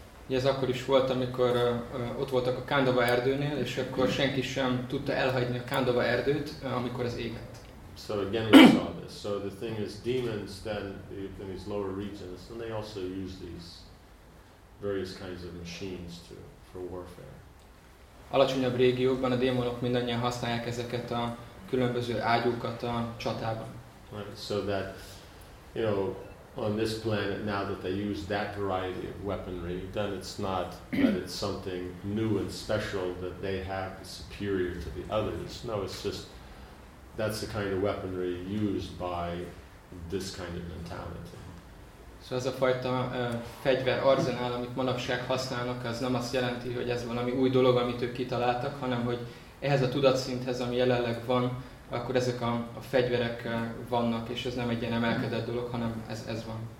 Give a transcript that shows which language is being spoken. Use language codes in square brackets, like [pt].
[hu] Ez akkor is volt, amikor ott voltak a Kandava erdőnél, és akkor senki sem tudta elhagyni a Kandava erdőt, amikor az égett. [en] So again we saw this. So the thing is, demons then in these lower regions, and they also use these various kinds of machines to for warfare. [hu] Alacsonyabb régiókban a démonok mindannyian használják ezeket a különböző ágyúkat a csatában. [en] Right, so that, you know, on this planet, now that they use that variety of weaponry, then it's not that it's something new and special that they have superior to the others. No, it's just that's the kind of weaponry used by this kind of mentality. [hu] So ez a fajta fegyver arzenál, amit manapság használnak, az nem azt jelenti, hogy ez valami új dolog, amit ők kitaláltak, hanem hogy ehhez a tudatszinthez, ami jelenleg van, akkor ezek a fegyverek vannak, és ez nem egy ilyen emelkedett dolog, hanem ez van.